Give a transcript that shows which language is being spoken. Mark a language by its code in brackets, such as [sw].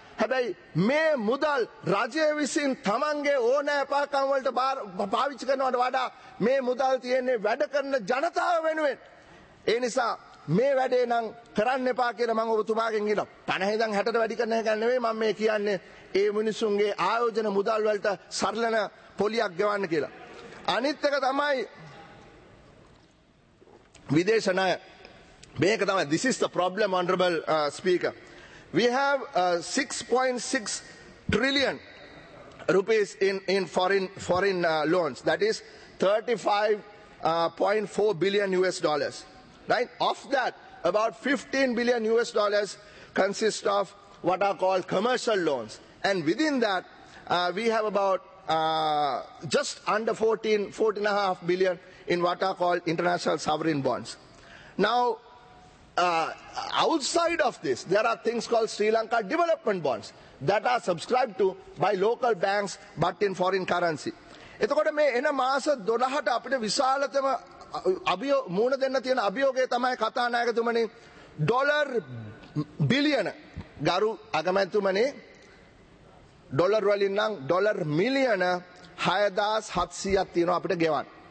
[si] හැබැයි මේ මුදල් රජය විසින් තමන්ගේ ඕනෑපාකම් වලට පාවිච්චි කරනවට වඩා මේ මුදල් තියෙන්නේ වැඩ කරන ජනතාව වෙනුවෙන්. ඒ නිසා මේ වැඩේ නම් කරන්න එපා කියලා මම ඔබතුමාගෙන් ඉල්ලන. 50 ඉඳන් 60ට වැඩි කරන එක නෙවෙයි මම මේ කියන්නේ. ඒ මිනිසුන්ගේ ආයෝජන මුදල් වලට සරලන පොලියක් ගෙවන්න කියලා. අනිත් එක තමයි විදේශ ණය. මේක තමයි [en] this is the problem honorable speaker. We have 6.6 trillion rupees in foreign loans. That is 35.4 billion US dollars. Right? Of that, about 15 billion US dollars consist of what are called commercial loans. And within that, we have about just under 14.5 billion in what are called international sovereign bonds. Now, outside of this, there are things called Sri Lanka development bonds that are subscribed to by local banks but in foreign currency. [si] එතකොට මේ එන මාස 12ට අපිට විශාලතම අභියෝග මූණ දෙන්න තියෙන අභියෝගය තමයි කතා නායකතුමනි ඩොලර් බිලියන ගරු අගමැතිතුමනි ඩොලර් වලින් නම් ඩොලර් මිලියන 6700ක් තියෙනවා අපිට ගෙවන්න.